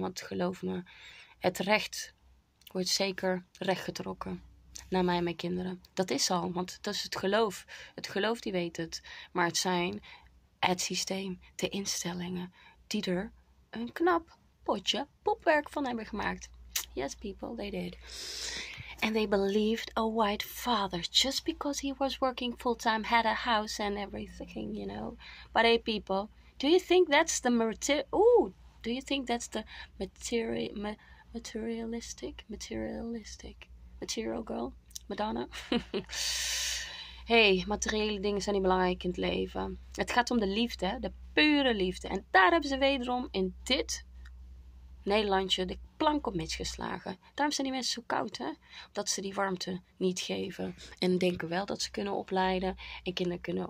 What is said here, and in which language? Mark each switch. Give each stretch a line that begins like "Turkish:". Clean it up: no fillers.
Dutch: Want geloof me, het recht wordt zeker recht getrokken. Naar mij en mijn kinderen. Dat is al, want dat is het geloof. Het geloof, die weet het. Maar het zijn het systeem, de instellingen, die er een knap potje popwerk van hebben gemaakt.
English: Yes, people, they did. And they believed a white father just because he was working full-time, had a house and everything, you know. But hey, people, do you think that's the material girl? Madonna.
Dutch: Hey, materiële dingen zijn niet belangrijk in het leven. Het gaat om de liefde, de pure liefde. En daar hebben ze wederom in dit Nederlandje de plank op misgeslagen. Daarom zijn die mensen zo koud, hè? Omdat ze die warmte niet geven. En denken wel dat ze kunnen opleiden en kinderen kunnen